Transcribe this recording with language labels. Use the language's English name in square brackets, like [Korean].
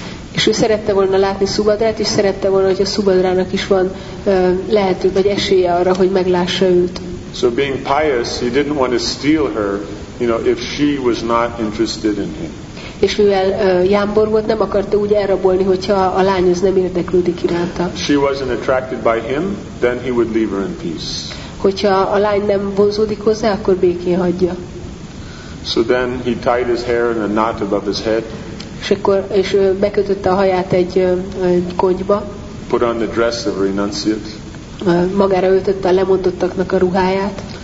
[Hungarian] És ő szerette volna látni Subhadrát, és szerette volna, hogy a Subhadrának is van lehető vagy esélye arra, hogy meglássa őt. [English] So being pious, he didn't want to steal her, you know, if she was not interested in him. [Hungarian] És mivel jámbor volt, nem akarta úgy elrabolni, hogyha a lány az nem érdeklődik iránta. [English] She wasn't attracted by him, then he would leave her in peace. [Hungarian] Hogyha a lány nem vonzódik hozzá, akkor békén hagyja. [English] So then he tied his hair in a knot above his head. [Hungarian] És bekötötte a haját egy konyba. [English] Put on the dress of a renunciate. [Hungarian] Magára öltötte a lemondottaknak a ruháját.